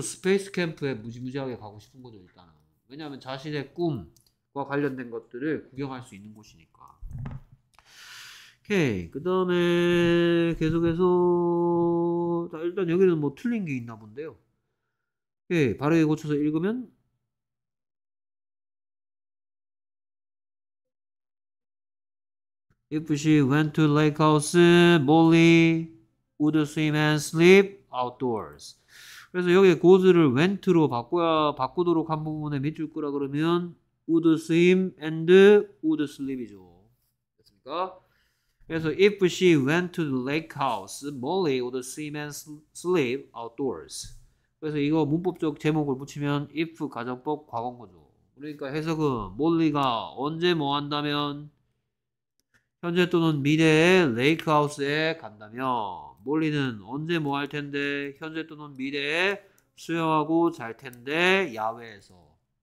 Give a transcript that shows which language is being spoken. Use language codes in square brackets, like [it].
[ko] 스페이스 캠프에 무지무지하게 가고 싶은 거죠, 일단은. 왜냐하면 자신의 꿈과 관련된 것들을 구경할 수 있는 곳이니까. 오케이. 그 다음에 계속해서, 자, 일단 여기는 뭐 틀린 게 있나 본데요. 오케이. 바르게 고쳐서 읽으면, [en] If she went to lake house, Molly would swim and sleep outdoors. [ko] 그래서 여기에 go를 went로 바꾸도록 한 부분에 밑줄 거라 그러면 [en] would swim and would sleep [ko] 이죠. 됐습니까? [en] 그래서 if she went to the lake house, Molly would swim and sleep outdoors. [ko] 그래서 이거 문법적 제목을 붙이면 if 가정법 과거구조. 그러니까 해석은 몰리가 언제 뭐 한다면, 현재 또는 미래에 레이크 하우스에 간다면, 몰리는 언제 뭐할 텐데, 현재 또는 미래에 수영하고 잘 텐데, 야외에서.